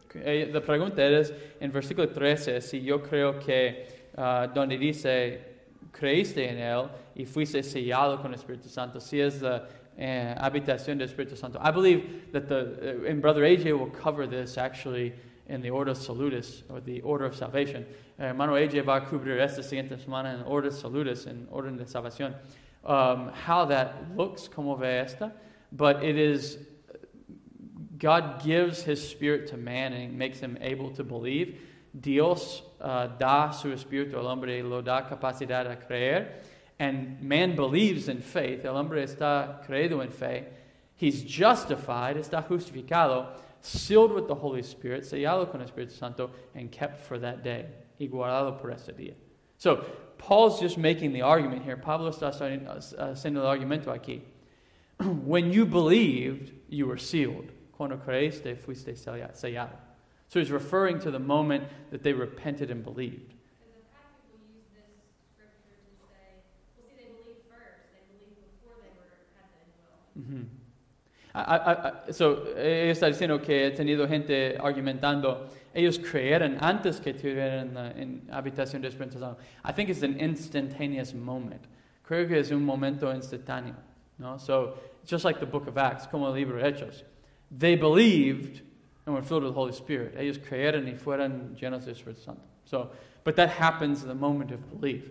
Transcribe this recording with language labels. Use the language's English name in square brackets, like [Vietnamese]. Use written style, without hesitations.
[Spanish] The pregunta es, en versículo 13, si yo creo que donde dice, creíste en él y fuiste sellado con el Espíritu Santo, si es la habitación del Espíritu Santo. [English] I believe that and Brother AJ will cover this actually in the Ordo Salutis, or the Order of Salvation. [Spanish] Hermano AJ va a cubrir esta siguiente semana en Ordo Salutis, en Orden de Salvación. [English] How that looks, [Spanish] como ve esta. [English] But it is, God gives his Spirit to man and makes him able to believe. [Spanish] Dios da su Espíritu al hombre y lo da capacidad a creer. [English] And man believes in faith. [Spanish] El hombre está creído en fe. [English] He's justified, [Spanish] está justificado, [English] sealed with the Holy Spirit, [Spanish] sellado con el Espíritu Santo, [English] and kept for that day, [Spanish] y guardado por ese día. [English] So, Paul's just making the argument here. [Spanish] Pablo está haciendo el argumento aquí. [English] When you believed, you were sealed. [Spanish] Cuando creíste, fuiste sellado. [English] So he's referring to the moment that they repented and believed. Because the practical use this scripture to say, well, see, they believed first. [Spanish] So, ella está diciendo que he tenido gente argumentando, ellos creyeron antes que tuvieran en habitación de Espíritu Santo. [English] I think it's an instantaneous moment. [Spanish] Creo que es un momento instantáneo. [English] No? So, just like the book of Acts, [Spanish] como el libro de Hechos. [English] They believed and were filled with the Holy Spirit. [Spanish] Ellos creyeron y fueron llenos del Espíritu Santo. [English] So, but that happens in the moment of belief.